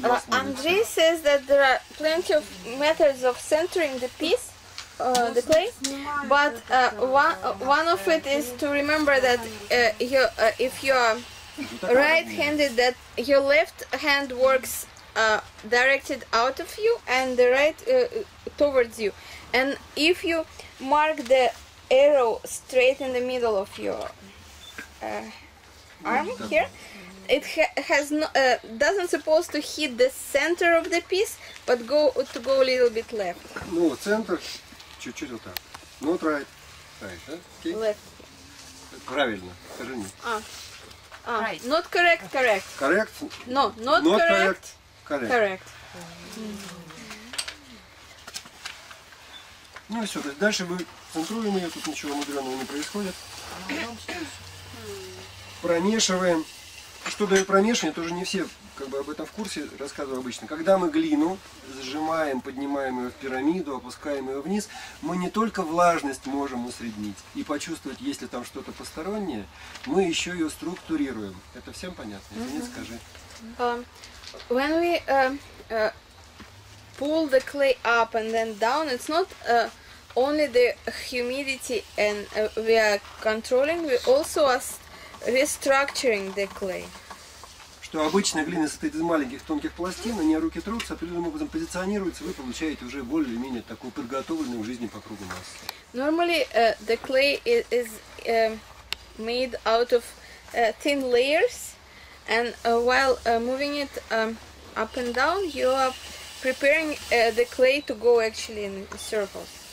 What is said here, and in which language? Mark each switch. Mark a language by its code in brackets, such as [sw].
[en] Andrei says that there are plenty of methods of centering the piece, the plate, but one of it is to remember that if you are right-handed, that your left hand works directed out of you and the right towards you, and if you mark the arrow straight in the middle of your arm here, it doesn't supposed to hit the center of the piece, but go a little bit left. [ru] Ну, центр, чуть-чуть вот так. Ну, вот [en] right. Left. [ru] Правильно, скажи мне. [en] Not correct, correct. Correct? No, not, not correct, correct. Correct. Correct. [ru] Ну и все, то есть дальше мы центруем ее, тут ничего мудреного не происходит. Промешиваем. Что дает промешивание, тоже не все как бы об этом в курсе, рассказываю обычно. Когда мы глину сжимаем, поднимаем ее в пирамиду, опускаем ее вниз, мы не только влажность можем усреднить и почувствовать, есть ли там что-то постороннее, мы еще ее структурируем. Это всем понятно? Или нет, скажи. [en] When we pull the clay up and then down, it's not only the humidity and we are controlling, we also are restructuring the clay. [ru] Что обычно глина состоит из маленьких тонких пластин, они руки трутся, определенным образом позиционируются, вы получаете уже более-менее такую подготовленную к жизни по кругу массу. [en] Normally the clay is made out of thin layers, and while moving it up and down, you are preparing the clay to go actually in circles.